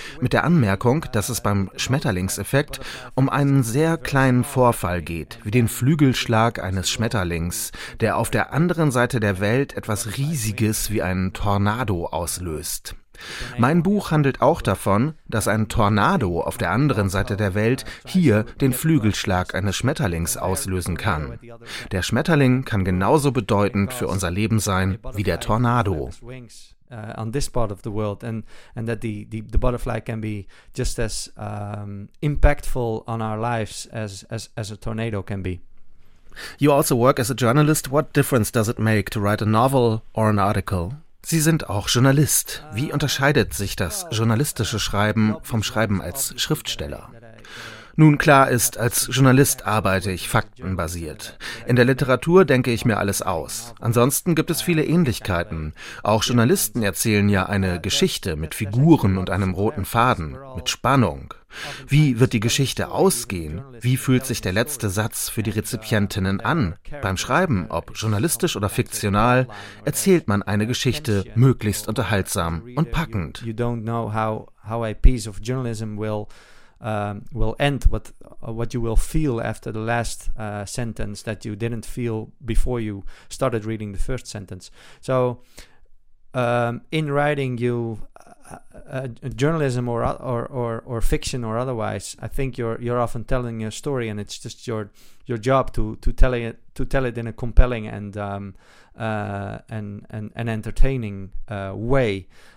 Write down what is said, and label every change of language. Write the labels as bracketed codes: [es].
[de] Mit der Anmerkung, dass es beim Schmetterlingseffekt um einen sehr kleinen Vorfall geht, wie den Flügelschlag eines Schmetterlings, der auf der anderen Seite der Welt etwas Riesiges wie einen Tornado auslöst. Mein Buch handelt auch davon, dass ein Tornado auf der anderen Seite der Welt hier den Flügelschlag eines Schmetterlings auslösen kann. Der Schmetterling kann genauso bedeutend für unser Leben sein wie der Tornado. [en] On this part of the world, and that the butterfly can be just as impactful on our lives as a tornado can be. You also work as a journalist. What difference does it make to write a novel or an article? [de] Sie sind auch Journalist. Wie unterscheidet sich das journalistische Schreiben vom Schreiben als Schriftsteller? Nun, klar ist, als Journalist arbeite ich faktenbasiert. In der Literatur denke ich mir alles aus. Ansonsten gibt es viele Ähnlichkeiten. Auch Journalisten erzählen ja eine Geschichte mit Figuren und einem roten Faden, mit Spannung. Wie wird die Geschichte ausgehen? Wie fühlt sich der letzte Satz für die Rezipientinnen an? Beim Schreiben, ob journalistisch oder fiktional, erzählt man eine Geschichte möglichst unterhaltsam und packend. [en] You don't know how a piece of journalism will end, what you will feel after the last sentence that you didn't feel before you started reading the first sentence. So in writing you journalism or fiction or otherwise, I think you're often telling a story, and it's just your job to tell it in a compelling and entertaining way.